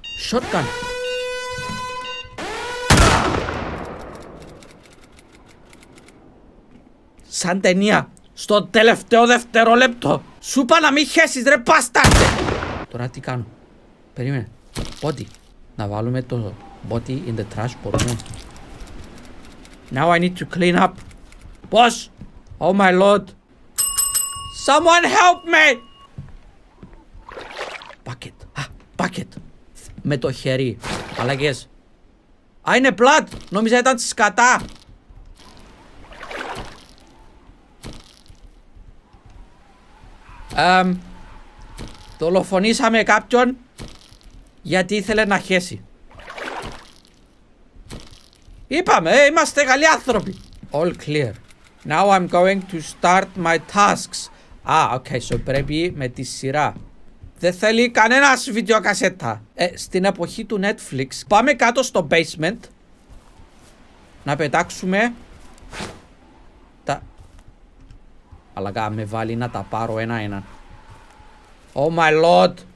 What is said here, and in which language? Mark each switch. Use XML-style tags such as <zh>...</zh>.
<en>Shotgun.</en> <el>Σαν ταινία. Στο τελευταίο δευτερόλεπτο. Σου είπα να μην χέσεις ρε bastard. Τώρα τι κάνω. Περίμενε. Body. Να βάλουμε το body</el> <en>in the trash. Μπορούμε. Now I need to clean up. Boss. Oh my lord. Someone help me.</en> <el>Bucket. Bucket. Με το χέρι. Αλλαγές. Α, είναι blood. Νόμιζα ήταν σκατά. Δολοφονήσαμε κάποιον γιατί ήθελε να χέσει. Είπαμε, είμαστε καλοί άνθρωποι.</el> <en>All clear. Now I'm going to start my tasks.</en> <el>Okay, so πρέπει με τη σειρά. Δεν θέλει κανένας βιντεοκασέτα. Στην εποχή του Netflix, πάμε κάτω στο basement. Να πετάξουμε. Τα. Αλλά με βάλει να τα πάρω ένα-ένα.</el> <en>Oh my lord.</en>